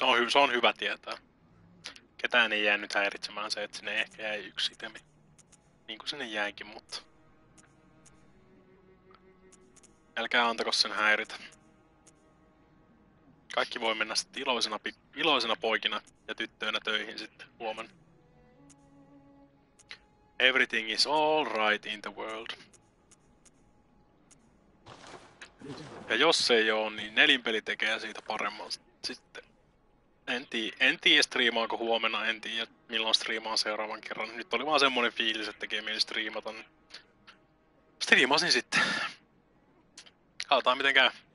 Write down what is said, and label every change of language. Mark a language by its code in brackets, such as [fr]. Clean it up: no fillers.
[fi] Se on hyvä tietää. Ketään ei jäänyt häiritsemään se, että sinne ehkä jäi yksi itemi. Niin kuin sinne jäikin, mutta... Älkää antako sen häiritä. Kaikki voi mennä sitten iloisena poikina ja tyttöinä töihin sitten huomenna. [en] Everything is all right in the world. [fi] Ja jos se ei oo, niin nelinpeli tekee siitä paremman sitten. En tiiä striimaanko huomenna, en tiiä milloin striimaan seuraavan kerran. Nyt oli vaan semmonen fiilis, että tekee mieli striimata. Striimasin sitten. Katsotaan miten käy.